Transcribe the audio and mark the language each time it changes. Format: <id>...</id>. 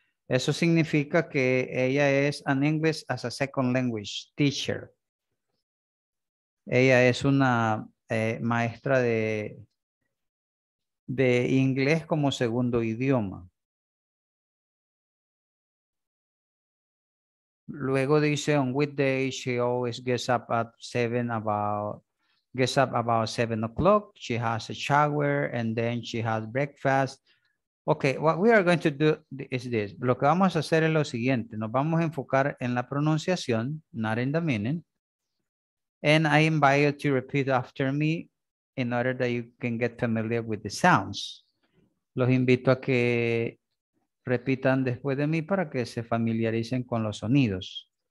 <es>Eso significa que ella es</es> <en>an English as a second language teacher.</en> <es>Ella es una maestra de inglés como segundo idioma. Luego dice,</es> <en>on weekdays, she always gets up about 7 o'clock. She has a shower and then she has breakfast. Okay, what we are going to do is this.</en> <es>Lo que vamos a hacer es lo siguiente. Nos vamos a enfocar en la pronunciación,</es> <en>not in the meaning. And I invite you to repeat after me in order that you can get familiar with the sounds.</en> <es>Los invito a que repitan después de mí para que se familiaricen con los sonidos.</es>